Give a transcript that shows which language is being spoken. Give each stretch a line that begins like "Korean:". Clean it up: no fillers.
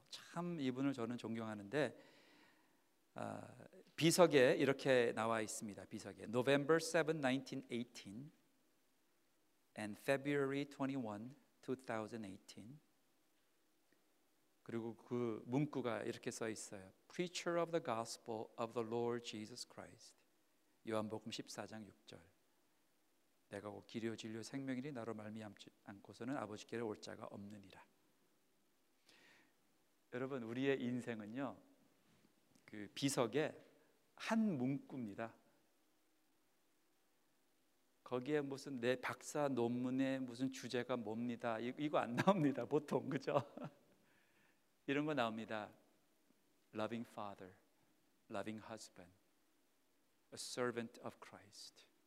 Korean: 참 이분을 저는 존경하는데, 비석에 이렇게 나와 있습니다. 비석에
English: November 7, 1918 and February 21, 2018,
Korean: 그리고 그 문구가 이렇게 써 있어요.
English: Preacher of the Gospel of the Lord Jesus Christ.
Korean: 요한복음 14장 6절. 내가 곧 길이요 진리요 생명이니 나로 말미암지 않고서는 아버지께로 올 자가 없느니라. 여러분, 우리의 인생은요, 그 비석에 한 문구입니다. 거기에 무슨 내 박사 논문의 무슨 주제가 뭡니다, 이거 안 나옵니다. 보통 그죠? 이런 거 나옵니다.
English: Loving father, loving husband, a servant of Christ.